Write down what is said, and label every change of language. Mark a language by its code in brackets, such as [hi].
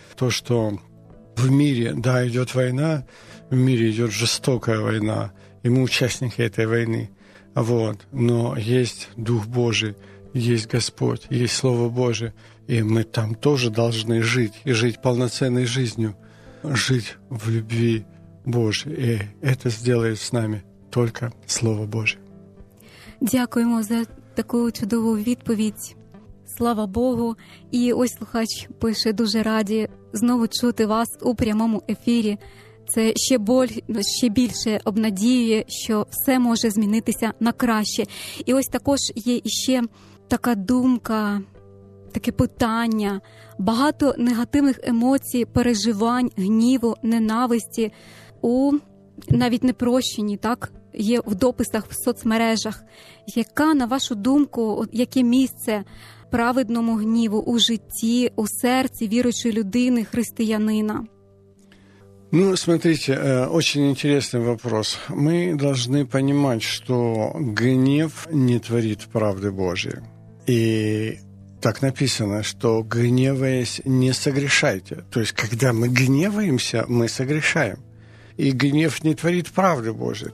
[ru] То, что в мире, да, идет война, в мире идет жестокая война, и мы участники этой войны. Вот. Но есть Дух Божий, есть Господь, есть Слово Божье, и мы там тоже должны жить, и жить полноценной жизнью, жить в любви Боже, [uk] і це зробить з нами тільки Слово Боже. Дякуємо за таку чудову відповідь. Слава Богу. І ось слухач пише: дуже раді знову чути вас у прямому ефірі. Це ще боль, ще більше обнадіює, що все може змінитися на краще. І ось також є ще така думка, таке питання. Багато негативних емоцій, переживань, гніву, ненависті у навіть непрощенні, так, є в дописах, в соцмережах. Яка, на вашу думку, яке місце праведному гніву у житті, у серці віруючої людини, християнина? [ru] Ну, смотрите, очень интересный вопрос. Мы должны понимать, что гнев не творит правды Божьей. И так написано, что гневаясь, не согрешайте. То есть, когда мы гневаемся, мы согрешаем. И гнев не творит правды Божией.